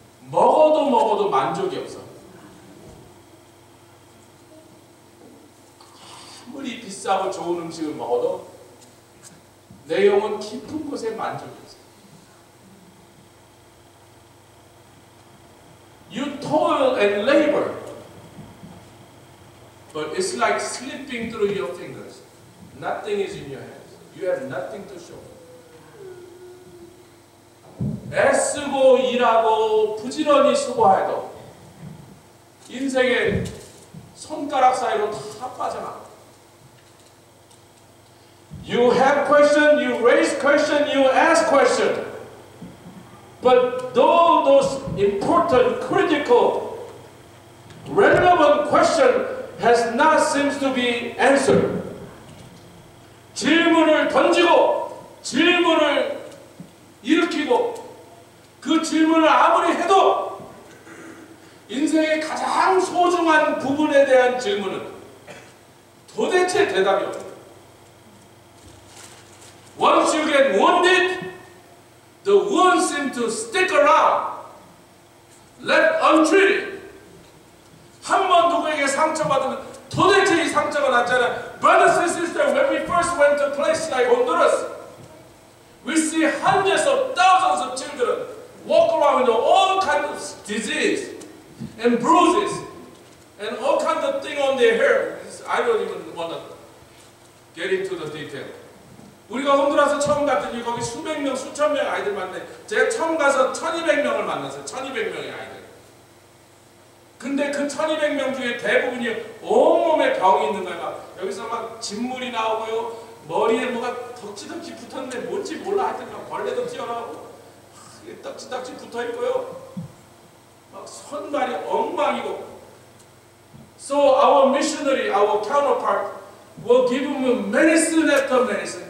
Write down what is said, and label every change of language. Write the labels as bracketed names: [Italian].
[Korean] 먹어도 먹어도 만족이 없어. 아무리 비싸고 좋은 음식을 먹어도 내 영혼 깊은 곳에 만족이 없어. [English] You toil and labor, but it's like slipping through your fingers. Nothing is in your hands. You have nothing to show. [Korean] 애쓰고 일하고 부지런히 수고해도 인생의 손가락 사이로 다 빠져나. [English] You have question, you raise question, you ask question. But though those important, critical, relevant question has not seems to be answered. [Korean] 질문을 던지고 질문을 일으키고 그 질문을 아무리 해도 인생의 가장 소중한 부분에 대한 질문은 도대체 대답이 없어요. [English] Once you get wounded, the wound seems to stick around. Left untreated. [Korean] 한 번 누구에게 상처받으면 도대체 이 상처가 났잖아. [English] Brothers and sisters, when we first went to places like Honduras, we see hundreds of thousands of children walk around with all kinds of disease and bruises and all kinds of things on their hair. I don't even want to get into the detail. [Korean] 우리가 홍두라서 처음 갔더니 거기 수백 명, 수천 명 아이들 만났네. 제가 처음 가서 1200명을 만났어요. 1200명의 아이들. 근데 그 1200명 중에 대부분이 온몸에 병이 있는 거야. 여기서 막 진물이 나오고요. 머리에 뭐가 덕지덕지 붙었는데 뭔지 몰라 하여튼 막 벌레도 튀어나오고 딱지딱지 붙어있고요. 막 손발이 엉망이고. [English] So our missionary, our counterpart, will give him medicine after medicine.